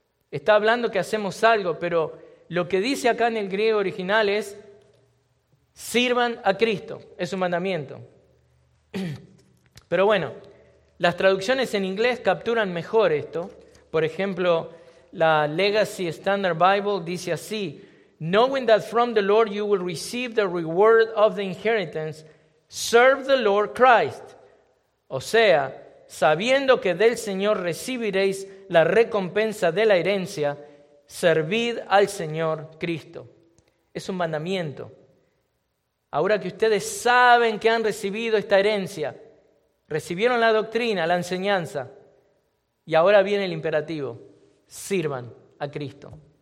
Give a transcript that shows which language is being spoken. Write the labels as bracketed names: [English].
[Spanish] Está hablando que hacemos algo, pero lo que dice acá en el griego original es, sirvan a Cristo, es un mandamiento. Pero bueno, las traducciones en inglés capturan mejor esto. Por ejemplo, la Legacy Standard Bible dice así: [English] Knowing that from the Lord you will receive the reward of the inheritance, serve the Lord Christ. [Spanish] O sea, sabiendo que del Señor recibiréis la recompensa de la herencia, servid al Señor Cristo. Es un mandamiento. Ahora que ustedes saben que han recibido esta herencia, recibieron la doctrina, la enseñanza, y ahora viene el imperativo: sirvan a Cristo.